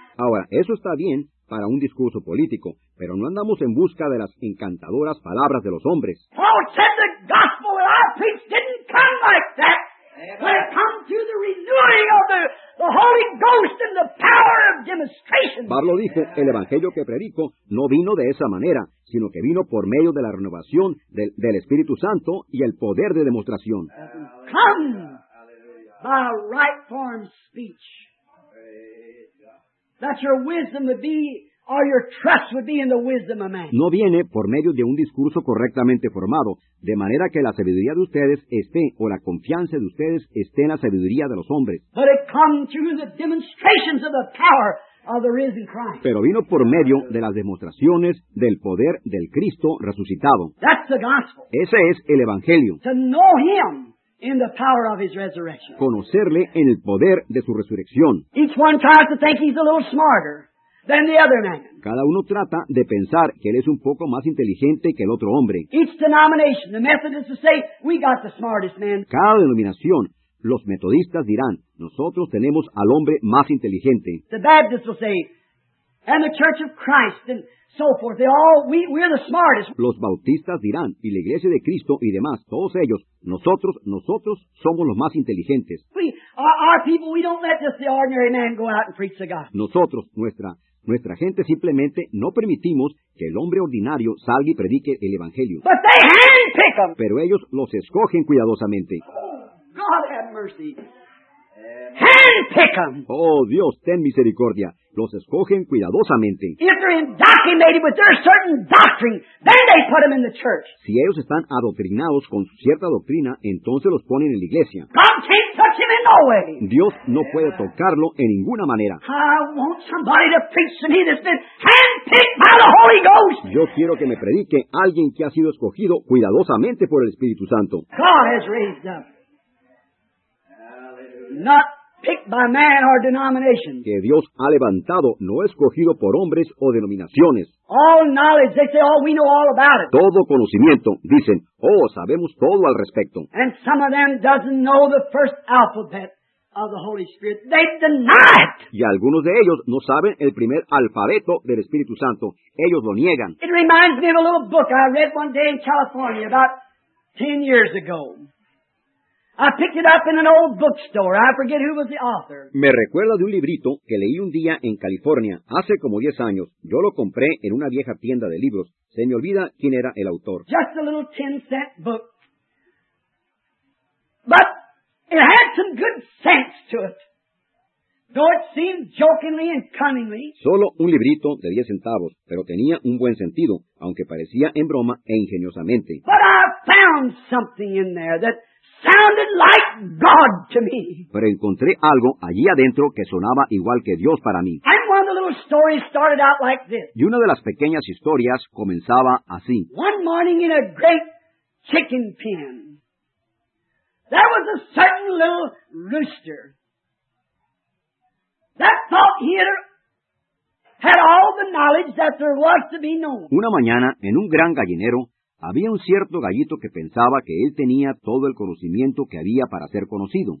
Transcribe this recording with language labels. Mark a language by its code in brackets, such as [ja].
[es] Ahora, eso está bien para un discurso político, pero no andamos en busca de las encantadoras palabras de los hombres. [en] Paul said the gospel that I preached didn't come like that. But it comes through the renewing of the Holy Ghost and the power of demonstration. [es] Pablo dijo, el evangelio que predico no vino de esa manera, sino que vino por medio de la renovación del Espíritu Santo y el poder de demostración. [en] Come. By right form speech. That your wisdom would be or your trust would be in the wisdom of man. [es] No viene por medio de un discurso correctamente formado, de manera que la sabiduría de ustedes esté, o la confianza de ustedes esté en la sabiduría de los hombres. [en] But it comes through the demonstrations of the power of the risen Christ. [es] Pero vino por medio de las demostraciones del poder del Cristo resucitado. [en] That's the gospel. [es] Ese es el evangelio. [en] To know him in the power of his resurrection. [es] Conocerle en el poder de su resurrección. [en] Each one tries to think he's a little smarter than the other man. [es] Cada uno trata de pensar que él es un poco más inteligente que el otro hombre. [en] Each denomination, the Methodists will say, we got the smartest man. [es] Cada denominación, los metodistas dirán, nosotros tenemos al hombre más inteligente. [en] The Baptists will say, and the Church of Christ, and so forth. We're the smartest. [es] Los bautistas dirán, y la Iglesia de Cristo y demás, todos ellos, nosotros somos los más inteligentes. [en] Our people, we don't let just the ordinary man go out and preach the gospel. [es] Nosotros, nuestra gente simplemente no permitimos que el hombre ordinario salga y predique el evangelio. [en] But they handpick them. [es] Pero ellos los escogen cuidadosamente. [en] God have mercy. Handpick them. [es] Oh Dios, ten misericordia. Los escogen cuidadosamente. [en] If they're indoctrinated with their certain doctrine, then they put them in the church. [es] Si ellos están adoctrinados con cierta doctrina, entonces los ponen en la iglesia. [en] God can't touch him in no way. [es] Dios no puede tocarlo en ninguna manera. [en] I want somebody to preach to me that's been handpicked by the Holy Ghost. [es] Yo quiero que me predique alguien que ha sido escogido cuidadosamente por el Espíritu Santo. [en] God has raised them. Not picked by man or denomination. [es] Que Dios ha levantado, no escogido por hombres o denominaciones. [en] All knowledge, they say, oh, we know all about it. [es] Todo conocimiento, dicen, oh, sabemos todo al respecto. [en] And some of them doesn't know the first alphabet of the Holy Spirit. They deny it. [es] Y algunos de ellos no saben el primer alfabeto del Espíritu Santo. Ellos lo niegan. [en] It reminds me of a little book I read one day in California about 10 years ago. I picked it up in an old bookstore. I forget who was the author. [es] Me recuerda de un librito que leí un día en California, hace como 10 años. Yo lo compré en una vieja tienda de libros. Se me olvida quién era el autor. [en] Just a little 10-cent book. But it had some good sense to it. Though it seemed jokingly and cunningly. [es] Solo un librito de 10 centavos, pero tenía un buen sentido, aunque parecía en broma e ingeniosamente. [en] But I found something in there that sounded like God to me. [es] Pero encontré algo allí adentro que sonaba igual que Dios para mí. [en] And one of the little stories started out like this. [es] Y una de las pequeñas historias comenzaba así. [en] One morning in a great chicken pen, there was a certain little rooster that thought he had all the knowledge that there was to be known. [es] Una mañana, en un gran gallinero, había un cierto gallito que pensaba que él tenía todo el conocimiento que había para ser conocido.